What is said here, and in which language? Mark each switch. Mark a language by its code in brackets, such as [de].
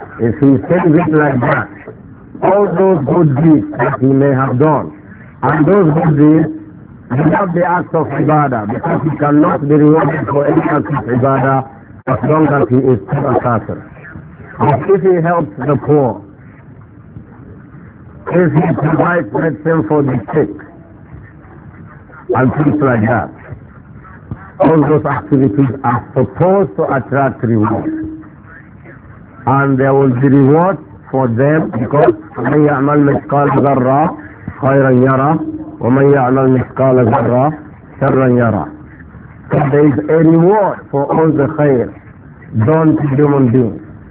[en] If he says it like that, all those good deeds that he may have done, and those good deeds without the acts of ibadah, because he cannot be rewarded for any act of ibadah as long as he is still a kafir. But if he helps the poor, if he provides medicine for the sick, and things like that, all those activities are supposed to attract reward. And there will be reward for them, because [ar] مَنْ يَعْمَلْ مِثْقَالَ ذَرَّةٍ خَيْرًا يَرَى وَمَنْ يَعْمَلْ مِثْقَالَ ذَرَّةٍ شَرًّا يَرَى. [en] So there is a reward for all the khair done to human beings.